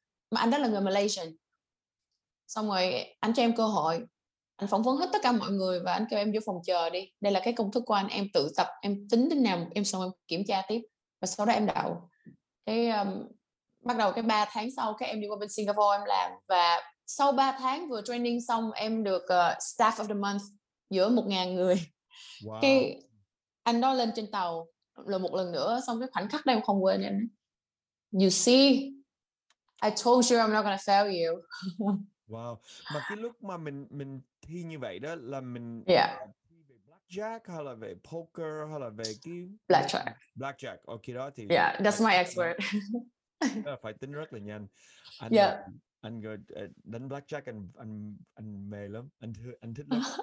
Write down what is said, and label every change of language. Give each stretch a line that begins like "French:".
Vietnamese: Mà anh đó là người Malaysian. Xong rồi anh cho em cơ hội, anh phỏng vấn hết tất cả mọi người, và anh kêu em vô phòng chờ đi, đây là cái công thức của anh, em tự tập, em tính đến nào em, xong em kiểm tra tiếp, và sau đó em đậu. Cái bắt đầu cái 3 tháng sau các em đi qua bên Singapore em làm, và sau 3 tháng vừa training xong em được staff of the month giữa 1.000 người. Wow. Cái anh đó lên trên tàu là một lần nữa, xong cái khoảnh khắc đó em không quên.
English: Anh, you see, I told you I'm not gonna fail you. Wow.
Vietnamese: Mà cái lúc mà mình thi như vậy đó là mình thi về blackjack hay là về poker hay là về cái
English: blackjack.
Vietnamese: Ok đó thì
English: yeah, that's my expert.
Vietnamese: Phải tính rất là nhanh. Anh, yeah. Anh gọi đánh blackjack anh mê lắm, anh thích lắm.